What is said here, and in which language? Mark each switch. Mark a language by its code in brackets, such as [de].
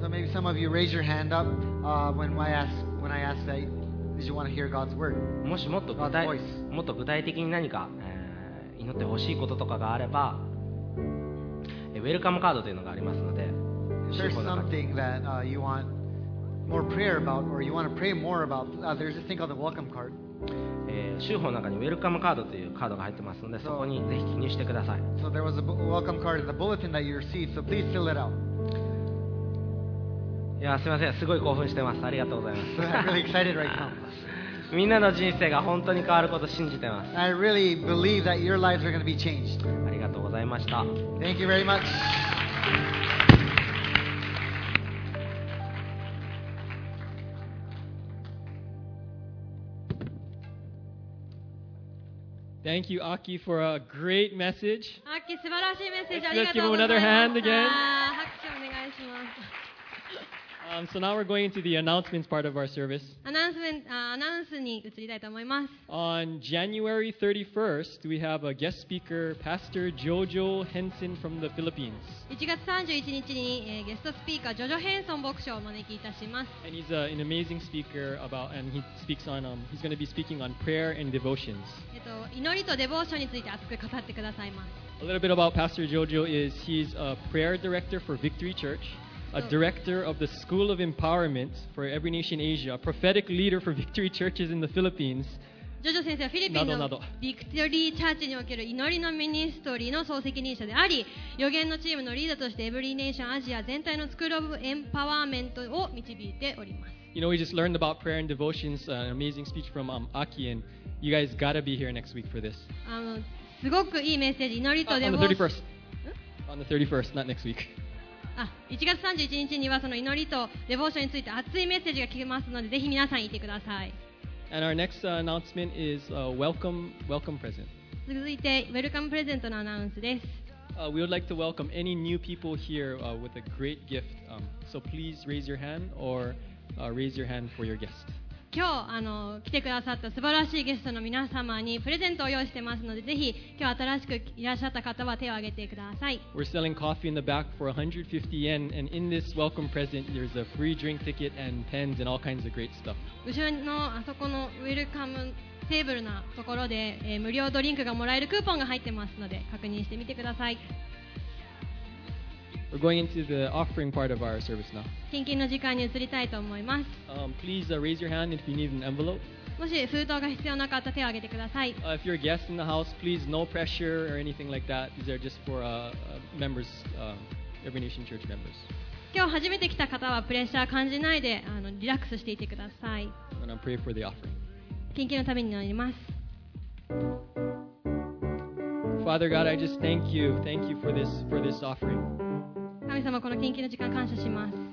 [en] So maybe some of you raise your hand up, when I ask that. Did you want to hear God's word? [ja] もしもっと具体、 [en] God's voice. [ja] もっと具体的に何か、祈ってほしいこととかがあれば、ウェルカムカードというのがありますので、 [en] There's something that you want more prayer about, or you want to pray more about. There's this thing called the welcome card. [ja] 修法の中にウェルカムカードというカードが入ってますので、そこにぜひ記入してください。 [en] So there was a welcome card in the bulletin that you received. So please fill it out. [ja] いやすみませんすごい興奮してますありがとうございます [en] really excited right now. [ja] みんなの人生が本当に変わることを信じてます [en] I really believe that your lives are going to be changed. [ja] ありがとうございました [en] Thank you very much. Thank you, Aki, for a great message. [ja] Aki, 素晴らしいメッセージ。 [en] Let's give him another hand again. [ja] 拍手お願いします。 [en] So now we're going into the announcements part of our service. [ja] アナウンスに移りたいと思います。 [en] On January 31st, we have a guest speaker, Pastor Jojo Henson from the Philippines. [ja] 1月31日に、ゲストスピーカー、ジョジョ・ヘンソン牧師をお招きいたします。 [en] And he's an amazing speaker about, and he speaks on, he's going to be speaking on prayer and devotions. [ja] 祈りとデボーションについて熱く語ってくださいます。 [en] A little bit about Pastor Jojo is he's a prayer director for Victory Church, a director of the School of Empowerment for Every Nation Asia, a prophetic leader for Victory Churches in the Philippines. [ja] ジョジョ先生はフィリピンのビクトリーチャーチにおける祈りのミニストリーの総責任者であり、予言のチームのリーダーとしてエブリーネーションアジア全体のスクールオブエンパワーメントを導いております。 [en] You know, we just learned about prayer and devotions, an amazing speech from Aki, and you guys gotta be here next week for this. [ja] すごくいいメッセージ、祈りとデボーション。 [en] On the 31st. On the 31st, not next week. [ja] 1月31日にはその祈りとデボーションについて熱いメッセージが聞けますので、ぜひ皆さんいてください。 [en] And our next announcement is a welcome present. [ja] 続いて、ウェルカムプレゼントのアナウンスです。 [en] We would like to welcome any new people here with a great gift. So please raise your hand or... raise your hand for your guest. [ja] 今日来てくださった素晴らしいゲストの皆様にプレゼントを用意してますので、ぜひ今日新しくいらっしゃった方は手を挙げてください。 [en] We're selling coffee in the back for 150 yen, and in this welcome present, there's a free drink ticket and pens and all kinds of great stuff. [ja] 後ろのあそこのウェルカムテーブルなところで、無料ドリンクがもらえるクーポンが入ってますので、確認してみてください。 [en] We're going into the offering part of our service now. [ja] 献金の時間に移りたいと思います。 [en] Please raise your hand if you need an envelope. [ja] もし封筒が必要なかったら手を挙げてください。 [en] If you're a guest in the house, please no pressure or anything like that. These are just for members, Every Nation Church members. [ja] 今日初めて来た方はプレッシャー感じないでリラックスしていてください。 [en] I'm going to pray for the offering. [ja] 献金のために祈ります。 [en] Father God, I just thank you. Thank you for this offering. [ja] 神様、この献金の時間感謝します。